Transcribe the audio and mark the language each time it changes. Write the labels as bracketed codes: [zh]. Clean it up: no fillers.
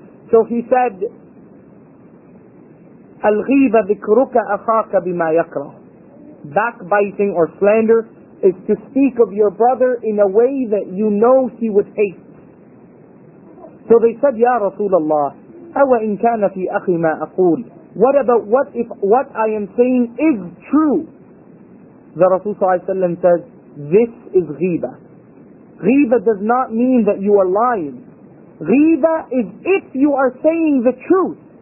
[en] So he said, [ar] الْغِيبَ ذِكْرُكَ أَخَاكَ بِمَا يَكْرَهُ. [en] Backbiting or slander is to speak of your brother in a way that you know he would hate. So they said, [ar] يَا رَسُولَ اللَّهُ, أَوَإِنْ كَانَ فِي أَخِي مَا أَقُولِ. [en] What about what if what I am saying is true? The Rasul صلى الله عليه وسلم says, this is ghiba. Ghiba does not mean that you are lying. Ghiba is if you are saying the truth.